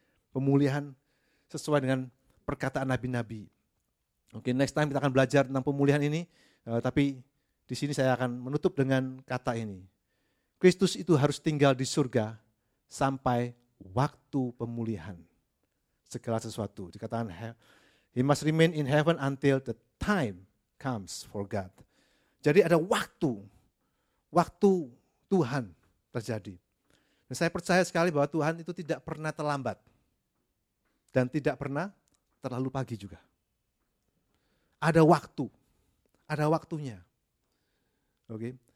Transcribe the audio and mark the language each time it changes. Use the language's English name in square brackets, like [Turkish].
[Indonesian] Pemulihan sesuai dengan perkataan nabi-nabi. Oke, next time kita akan belajar tentang pemulihan ini, tapi di sini saya akan menutup dengan kata ini. Kristus itu harus tinggal di surga sampai waktu pemulihan segala sesuatu. [English] Dikatakan, he must remain in heaven until the time comes for God. [Indonesian] Jadi ada waktu Tuhan terjadi. Dan saya percaya sekali bahwa Tuhan itu tidak pernah terlambat dan tidak pernah terlalu pagi juga. Ada waktunya. Oke.